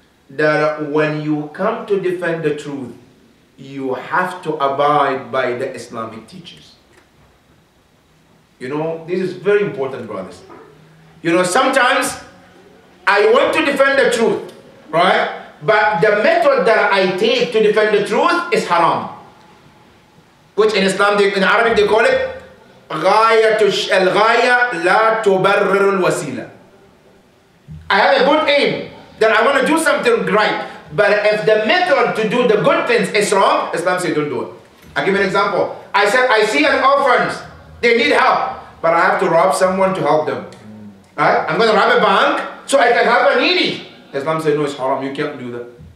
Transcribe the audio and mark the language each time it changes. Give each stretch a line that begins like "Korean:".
English: That when you come to defend the truth, you have to abide by the Islamic teachers. You know, this is very important, brothers. You know, sometimes I want to defend the truth, right? But the method that I take to defend the truth is haram. Which in Islam, in Arabic, they call it
Arabic: غاية الغاية لا تبرر الوسيلة.
English: I have a good aim that I want to do something right. But if the method to do the good things is wrong, Islam says don't do it. I'll give you an example. I said, I see an orphan, they need help, but I have to rob someone to help them. Right? I'm going to rob a bank so I can help a needy. Islam says, no, it's haram, you can't do that.